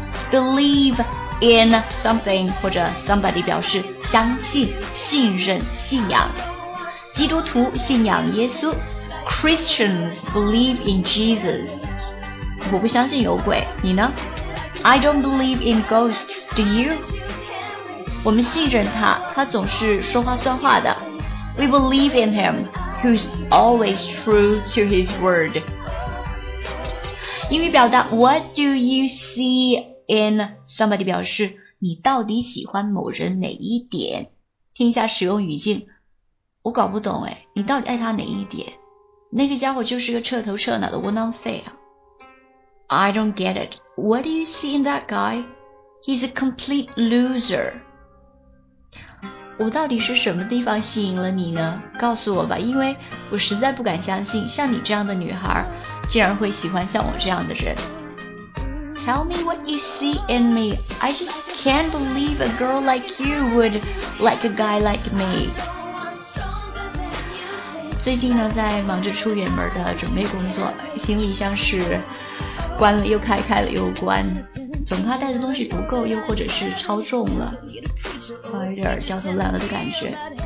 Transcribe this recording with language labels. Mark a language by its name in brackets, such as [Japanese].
[English] Believe in something [Chinese] 或者 somebody 表示相信、信任、信仰。基督徒信仰耶稣。 [English] Christians believe in Jesus. [Chinese] 我不相信有鬼，你呢？ [English] I don't believe in ghosts, do you? [Chinese] 我们信任他，他总是说话算话的。 [English] We believe in him. Who's always true to his word. [Chinese] 英语表达 [English] What do you see in somebody [Chinese] 表示你到底喜欢某人哪一点。听一下使用语境。我搞不懂哎，你到底爱他哪一点？那个家伙就是个彻头彻脑的窝囊废啊。 [English] I don't get it. What do you see in that guy? He's a complete loser. [Chinese] 我到底是什么地方吸引了你呢？告诉我吧，因为我实在不敢相信像你这样的女孩竟然会喜欢像我这样的人。 [English] Tell me what you see in me. I just can't believe a girl like you would like a guy like me. [Chinese] 最近呢，在忙着出远门的准备工作，行李箱是关了又开，开了又关，总怕带的东西不够，又或者是超重了，有点焦头烂额的感觉。